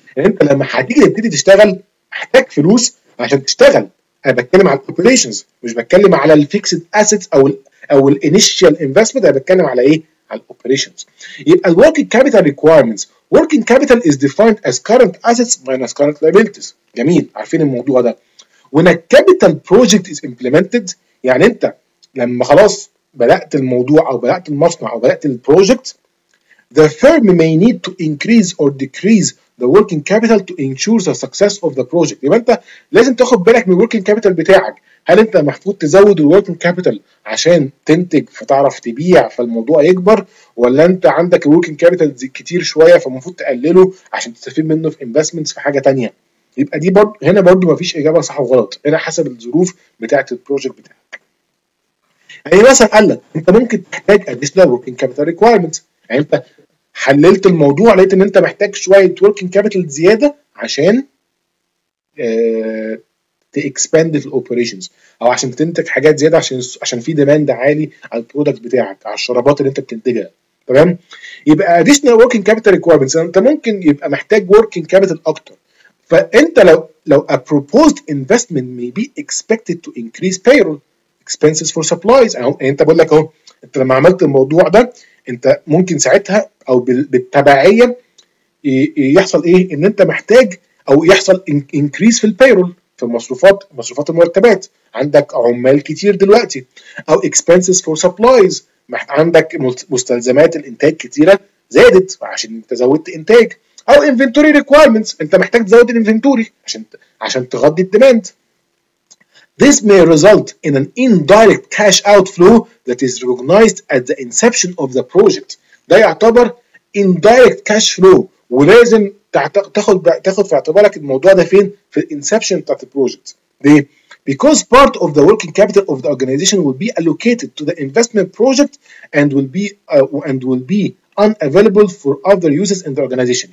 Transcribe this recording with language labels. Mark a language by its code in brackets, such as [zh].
[ar] انت لما هتيجي تبتدي تشتغل محتاج فلوس عشان تشتغل. انا بتكلم على الاوبريشنز، مش بتكلم على الفيكسد اسيتس او الانيشال انفستمنت، انا بتكلم على ايه؟ على الاوبريشنز. [en] يبقى الوركينج capital requirements, working capital is defined as current assets minus current liabilities. [ar] جميل، عارفين الموضوع ده. [en] when الكابيتال project is implemented, [ar] يعني انت لما خلاص بدات الموضوع او بدات المصنع او بدات البروجكت، [en] the firm may need to increase or decrease the working capital to ensure the success of the project. [ar] يبقى انت لازم تاخد بالك من working capital بتاعك. هل انت محفوظ تزود working capital عشان تنتج فتعرف تبيع فالموضوع يكبر، ولا انت عندك working capital كتير شوية فمفروض تقلله عشان تستفيد منه في investments في حاجة تانية؟ يبقى دي برضو هنا برضو مفيش اجابة صح وغلط، هنا حسب الظروف بتاعة البروجكت بتاعك. يعني مثلا قال لك انت ممكن تحتاج additional working capital requirements، يعني انت حللت الموضوع لقيت ان انت محتاج شويه working capital زياده عشان تاكسباند في الاوبريشنز، او عشان تنتج حاجات زياده عشان في ديماند عالي على البرودكت بتاعك، على الشرابات اللي انت بتنتجها. تمام، يبقى additional working capital requirements، انت ممكن يبقى محتاج working capital اكتر. فانت لو [en] a proposed investment may be expected to increase payroll expenses for supplies. [ar] انت بقول لك اهو، انت لما عملت الموضوع ده انت ممكن ساعتها او بالتبعيه يحصل ايه؟ ان انت محتاج او يحصل انكريس في البايرول، في مصروفات المرتبات، عندك عمال كتير دلوقتي، او اكسبنسز فور سبلايز، عندك مستلزمات الانتاج كتيره زادت عشان انت زودت انتاج، او انفنتوري ريكويرمنتس، انت محتاج تزود الانفنتوري عشان تغطي الديماند. [en] This may result in an indirect cash outflow that is recognized at the inception of the project. [ar] ده يعتبر indirect cash flow، ولازم تاخد في اعتبارك الموضوع ده فين؟ في inception بتاعت البروجكت. ليه؟ [en] Because part of the working capital of the organization will be allocated to the investment project and will be unavailable for other uses in the organization.